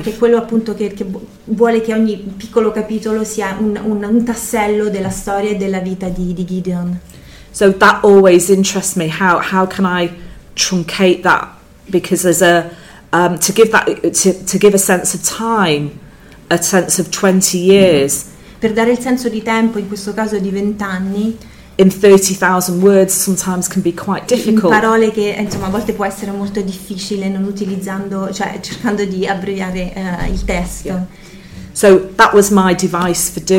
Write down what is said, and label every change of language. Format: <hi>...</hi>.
<it>Perché quello appunto che vuole che ogni piccolo capitolo sia un tassello della storia e della vita di Gideon.</it> <en>So that always interests me. How can I truncate that? Because there's a to give that to give a sense of time, a sense of 20 years.</en> <it>Per dare il senso di tempo, in questo caso di 20 anni.</it> <en>In 30,000 words sometimes can be quite difficult.</en> <it>In parole che insomma a volte può essere molto difficile non utilizzando, cioè cercando di abbreviare il testo.</it> <en>Yeah. So that was my device for doing</en>